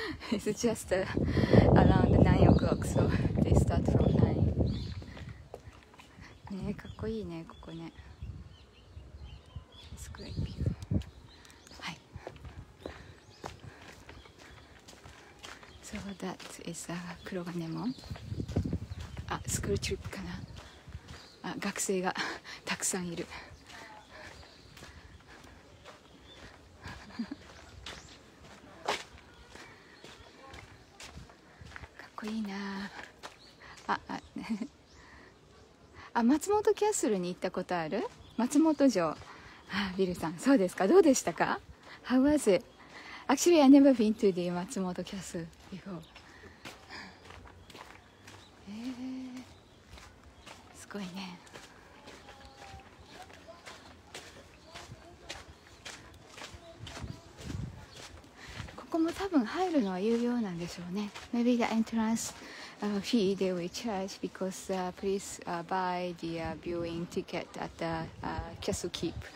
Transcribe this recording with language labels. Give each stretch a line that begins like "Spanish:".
English: It's just around 9 o'clock, so they start from 9.
Japanese: ねえ、かっこいいね、ここね。
English: It's great view. So that is Kuroganemon. Ah, school trip, かな。
Japanese: あ、学生がたくさんいる。かっこいいな。あ、松本キャッスルに行ったことある？松本城。あ、ビルさん、そうですか。どうでしたか？
English: How was it? Actually, I never been to the Matsumoto Castle before.
Japanese: すごいね。ここも多分入るのは有料なんでしょうね。
English: Maybe the entrance fee they will charge because please buy the viewing ticket at the Castle Keep.